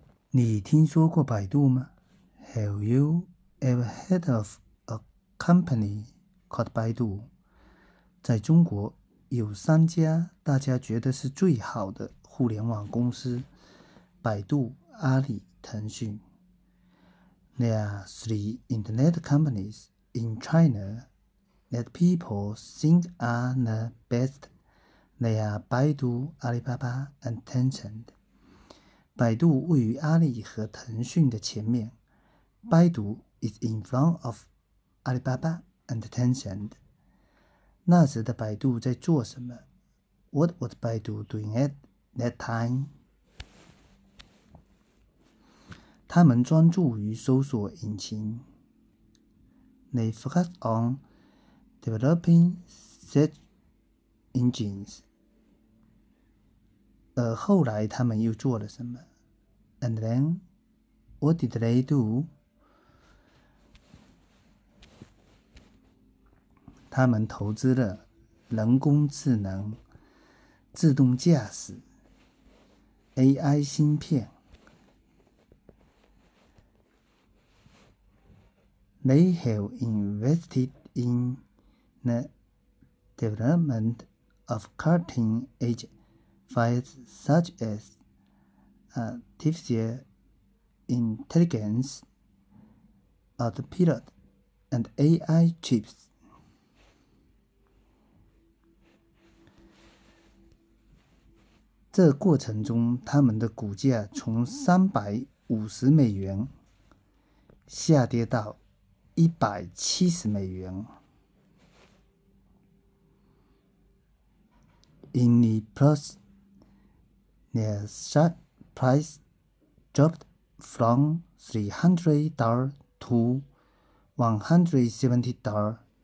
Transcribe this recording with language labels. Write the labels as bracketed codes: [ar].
[zh] 你听说过百度吗？ [en] Have you ever heard of a company called Baidu？ [zh] 在中国有三家大家觉得是最好的互联网公司：百度、阿里、腾讯。 [en] There are three internet companies in China that people think are the best. They are Baidu, Alibaba, and Tencent. [zh] 百度位于阿里和腾讯的前面， [en] Baidu is in front of Alibaba and Tencent。 [zh] 那时的百度在做什么？ [en] What was Baidu doing at that time？ [zh] 他们专注于搜索引擎。 [en] They focus on developing search engines。 [zh] 后来他们又做了什么？ [en] And then, what did they do? [zh] 他们投资了人工智能、自动驾驶、AI 芯片。 [en] They have invested in the development of cutting-edge files such as artificial intelligence, autopilot, and AI chips. [zh] 这过程中，他们的股价从350美元下跌到170美元。 [en] In the process, their stock price dropped from $300 to $170。